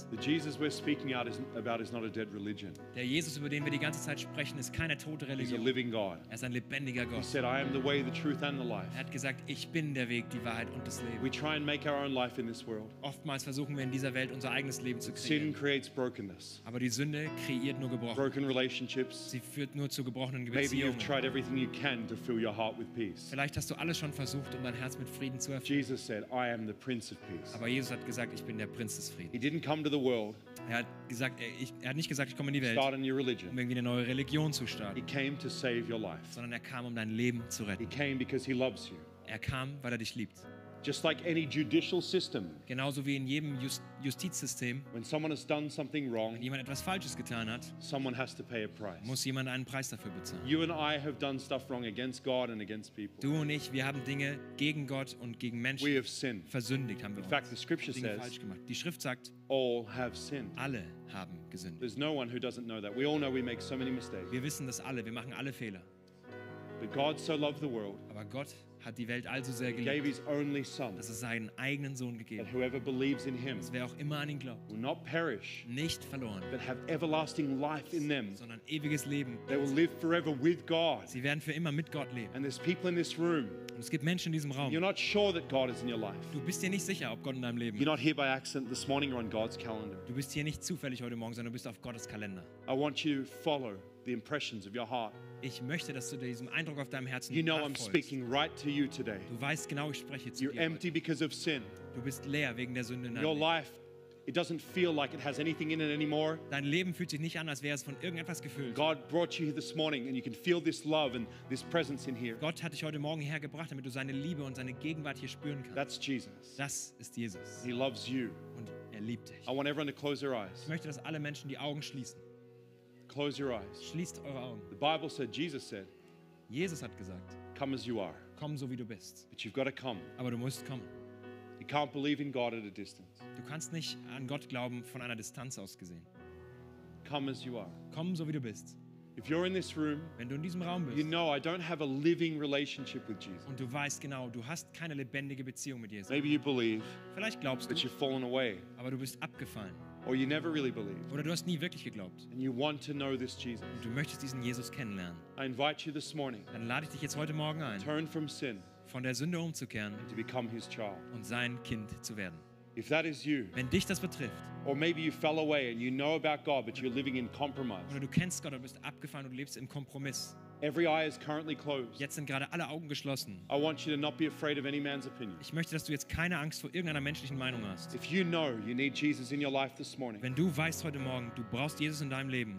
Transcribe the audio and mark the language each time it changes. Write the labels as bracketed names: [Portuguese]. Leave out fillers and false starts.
[English] The Jesus we're speaking out is about is not a dead religion. [German] Der Jesus, über den wir die ganze Zeit sprechen, ist keine tote Religion. [English] He's a living God. [German] Er ist ein lebendiger Gott. [English] He said, I am the way, the truth, and the life. [German] Er hat gesagt, ich bin der Weg, die Wahrheit und das Leben. [English] We try and make our own life in this world. [German] Oftmals versuchen wir in dieser Welt unser eigenes Leben zu kreieren. [English] Sin creates brokenness. [German] Aber die Sünde kreiert nur gebrochen. [English] Broken relationships. [German] Sie führt nur zu gebrochenen Beziehungen. [English] Maybe you've tried everything you can to fill your heart with peace. [German] Vielleicht hast du alles schon versucht, um dein Herz mit Frieden zu erfüllen. [English] Jesus said, I am the Prince of Peace. [German] Aber Jesus hat gesagt, ich bin der Prinz des Friedens. [English] He didn't come to the world. [German] Er hat nicht gesagt, ich komme in die Welt, um irgendwie eine neue Religion zu starten. [English] He came to save your life. [German] Sondern er kam, um dein Leben zu retten. [English] He came because he loves you. [German] Er kam, weil er dich liebt. [English] Just like any judicial system. [German] Genauso wie in jedem Justizsystem. [English] When someone has done something wrong, [German] wenn jemand etwas Falsches getan hat, [English] someone has to pay a price. [German] Muss jemand einen Preis dafür bezahlen. [English] You and I have done stuff wrong against God and against people. [German] Du und ich, wir haben Dinge gegen Gott und gegen Menschen. [English] We have sinned. [German] Versündigt haben wir. [English] In fact, the scripture says, [German] falsch gemacht. Die Schrift sagt, [English] all have sinned. [German] Alle haben gesündigt. [English] There's no one who doesn't know that. We all know we make so many mistakes. [German] Wir wissen das alle. Wir machen alle Fehler. [English] But God so loved the world. [German] Aber Gott hat die Welt also sehr geliebt, dass er seinen eigenen Sohn gegeben hat, dass wer auch immer an ihn glaubt, nicht verloren, [English] but have everlasting life in them, [German] sondern ewiges Leben. [English] They will live forever with God. [German] Sie werden für immer mit Gott leben. [English] And there's people in this room. [German] Und es gibt Menschen in diesem Raum. [English] You're not sure that God is in your life. [German] Du bist dir nicht sicher, ob Gott in deinem Leben ist. [English] You're not here by accident this morning or on God's calendar. [German] Du bist hier nicht zufällig heute Morgen, sondern du bist auf Gottes Kalender. [English] I want you to follow the impressions of your heart. [German] Ich möchte, dass du diesem Eindruck auf deinem Herzen nachfolgst. [English] You know I'm speaking right to you today. [German] Du weißt genau, ich spreche zu dir. [English] You're empty because of sin. [German] Du bist leer wegen der Sünde. [English] Your life, it doesn't feel like it has anything in it anymore. [German] Dein Leben fühlt sich nicht an, als wäre es von irgendetwas gefüllt. [English] God brought you here this morning and you can feel this love and this presence in here. [German] Gott hat dich heute Morgen hergebracht, damit du seine Liebe und seine Gegenwart hier spüren kannst. [English] That's Jesus. [German] Das ist Jesus. [English] He loves you. [German] Und er liebt dich. [English] I want everyone to close their eyes. [German] Ich möchte, dass alle Menschen die Augen schließen. [English] Close your eyes. [German] Schließt eure Augen. [English] The Bible said, Jesus said, [German] Jesus hat gesagt, [English] come as you are. [German] Komm so wie du bist. [English] But you've got to come. [German] Aber du musst kommen. [English] You can't believe in God at a distance. [German] Du kannst nicht an Gott glauben von einer Distanz aus gesehen. [English] Come as you are. [German] Komm so wie du bist. [English] If you're in this room, [German] wenn du in diesem Raum bist, [English] you know I don't have a living relationship with Jesus. [German] Und du weißt genau, du hast keine lebendige Beziehung mit Jesus. [English] Maybe you believe, [German] vielleicht glaubst [English] but [German] du, [English] you've fallen away. [German] Aber du bist abgefallen. [English] Or you never really believed. [German] Oder du hast nie wirklich geglaubt. [English] And you want to know this Jesus. [German] Und du möchtest diesen Jesus kennenlernen. [English] I invite you this morning. [German] Dann lade ich dich jetzt heute Morgen ein. [English] Turn from sin. [German] Von der Sünde umzukehren. [English] And to become his child. [German] Und sein Kind zu werden. [English] If that is you. [German] Wenn dich das betrifft. [English] Or maybe you fell away and you know about God, but you're living in compromise. [German] Oder du kennst Gott und bist abgefallen und lebst im Kompromiss. [English] Every eye is currently closed. [German] Jetzt sind gerade alle Augen geschlossen. [English] I want you to not be afraid of any man's opinion. [German] Ich möchte, dass du jetzt keine Angst vor irgendeiner menschlichen Meinung hast. [English] If you know you need Jesus in your life this morning. [German] Wenn du weißt heute Morgen, du brauchst Jesus in deinem Leben.